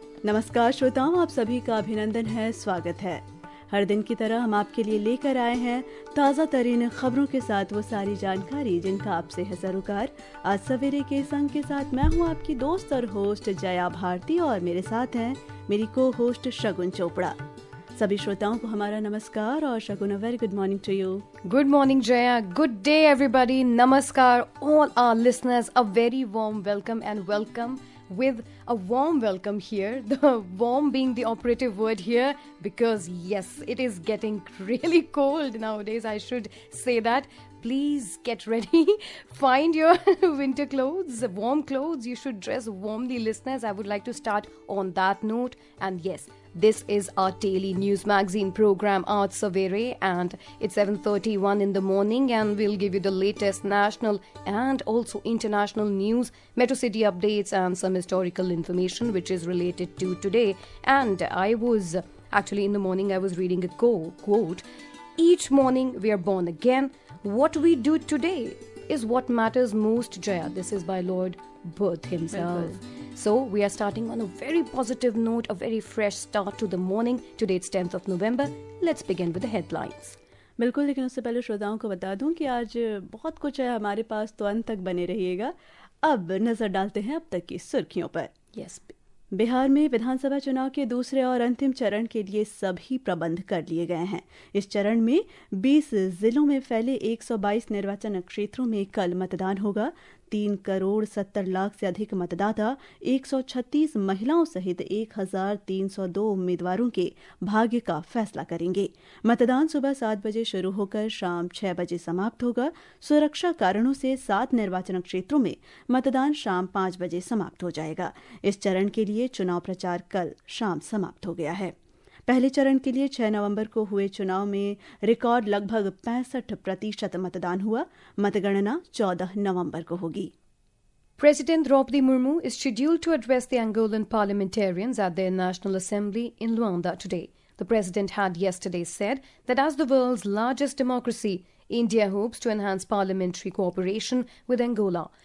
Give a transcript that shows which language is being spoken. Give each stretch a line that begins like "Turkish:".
Hindi: नमस्कार श्रोताओं, आप सभी का अभिनंदन है, स्वागत है। हर दिन की तरह हम आपके लिए लेकर आए हैं ताज़ा तरीन खबरों के साथ वो सारी जानकारी जिनका आपसे है सरोकार। आज सवेरे के संग के साथ मैं हूँ आपकी दोस्त और होस्ट जया भारती और मेरे साथ हैं मेरी को होस्ट शगुन चोपड़ा। सभी श्रोताओं को हमारा नमस्कार और शगुन,
English: A very good morning to you. Good morning Jaya, good day everybody, नमस्कार all our listeners, a very warm welcome and welcome with a warm welcome here, the warm being the operative word here, because yes, it is getting really cold nowadays, I should say that. Please get ready, find your winter clothes, warm clothes, you should dress warmly, listeners. I would like to start on that note. And yes, this is our daily news magazine program Aaj Savere, and it's 7:31 in the morning, and we'll give you the latest national and also international news, Metro City updates and some historical information which is related to today. And I was actually in the morning, I was reading a quote: each morning we are born again, what we do today is what matters most, Jaya. This is by Lord Buddha himself. So we are starting on a very positive note, a very fresh start to the morning. Today it's 10th of November. Let's begin with the headlines.
Hindi: बिल्कुल, लेकिन उससे पहले श्रोताओं को बता दूं कि आज बहुत कुछ है हमारे पास, तो अंत तक बने रहिएगा। अब नजर डालते हैं अब तक की सुर्खियों पर।
English: Yes.
Hindi: बिहार में विधानसभा चुनाव के दूसरे और अंतिम चरण के लिए सभी प्रबंध कर लिए गए हैं। इस चरण में 20 जिलों में फैले 122 निर्वाचन क्षेत्रों में कल मतदान होगा। 3,70,00,000 से अधिक मतदाता, 136 महिलाओं सहित 1,302 उम्मीदवारों के भाग्य का फैसला करेंगे। मतदान सुबह 7 बजे शुरू होकर शाम 6 बजे समाप्त होगा। सुरक्षा कारणों से 7 निर्वाचन क्षेत्रों में मतदान शाम 5 बजे समाप्त हो जाएगा। इस चरण के लिए चुनाव प्रचार कल शाम समाप्त हो गया है। पहले चरण के लिए 6 नवंबर को हुए चुनाव में रिकॉर्ड लगभग 65% मतदान हुआ। मतगणना 14 नवंबर को होगी।
English: President Draupadi Murmu is scheduled to address the Angolan parliamentarians at their National Assembly in Luanda today. The president had yesterday said that as the world's largest democracy, India hopes to enhance parliamentary cooperation with Angola.